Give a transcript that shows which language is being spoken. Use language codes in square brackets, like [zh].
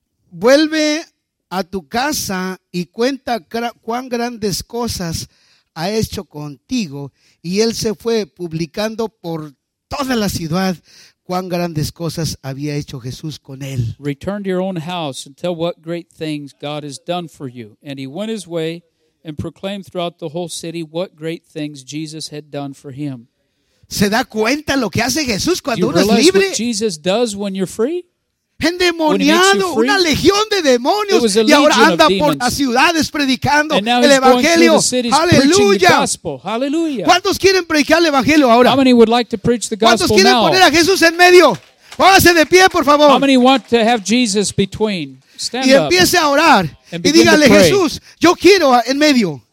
[es] Vuelve a tu casa y cuenta cuán grandes cosas ha hecho contigo. Y él se fue publicando por toda la ciudad, cuán grandes cosas había hecho Jesús con él. [en] Return to your own house and tell what great things God has done for you. And he went his way and proclaimed throughout the whole city what great things Jesus had done for him. [es] ¿Se da cuenta lo que hace Jesús cuando uno es libre? [en] What Jesus does when you're free? [es] Endemoniado, una legión de demonios, y ahora anda por las ciudades predicando el evangelio. Aleluya. ¿Cuántos quieren predicar el evangelio ahora? [en] How many would like to preach the gospel now? [es] ¿Cuántos quieren [en] now? [es] Poner a Jesús en medio? Póngase de pie, por favor. [en] How many want to have Jesus between? Stand [es] y empiece a orar y dígale, Jesús, yo quiero en medio.